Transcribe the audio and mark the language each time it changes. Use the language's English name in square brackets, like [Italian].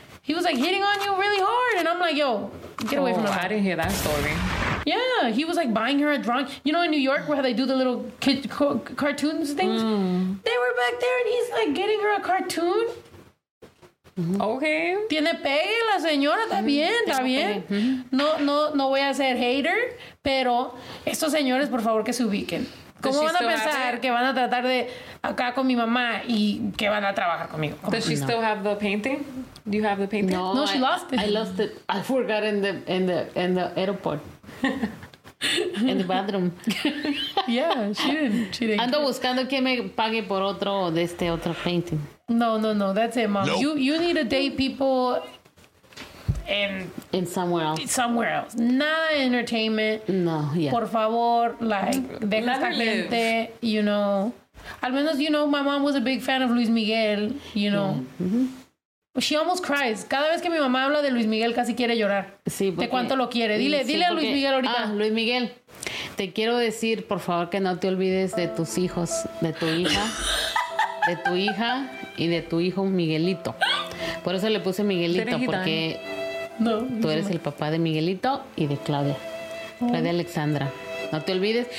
[English] He was like hitting on you really hard. And I'm like, yo, get away from that. I didn't hear that story. Yeah, he was like buying her a drawing. You know in New York where they do the little kid cartoons things? Mm. They were back there and he's like getting her a cartoon. Mm-hmm. Okay. [Spanish] Tiene pegue la señora, está bien. Mm-hmm. No voy a ser hater, pero estos señores, por favor, que se ubiquen. ¿Cómo van a pensar que van a tratar de acá con mi mamá y que van a trabajar conmigo? [English] Does she still have the painting? Do you have the painting? No, she lost it. I lost it. I forgot in the airport. In the bathroom. Yeah, she didn't. [Spanish] Ando buscando quien me pague por otro de este otro painting. [English] No, that's it, mom. Nope. You need to date people in somewhere else. [Spanish] Nada de entertainment. [English] No, yeah. [Spanish] Por favor, like, deja esta gente, you know. [English] Al menos, you know, my mom was a big fan of Luis Miguel, you know. Mm-hmm. She almost cries. [Spanish] Cada vez que mi mamá habla de Luis Miguel, casi quiere llorar. Sí, porque... De cuánto lo quiere. Dile a Luis Miguel ahorita. Ah, Luis Miguel, te quiero decir, por favor, que no te olvides de tus hijos, de tu hija. De tu hija y de tu hijo Miguelito. Por eso le puse Miguelito, porque tú eres el papá de Miguelito y de Claudia. Claudia Alexandra. No te olvides.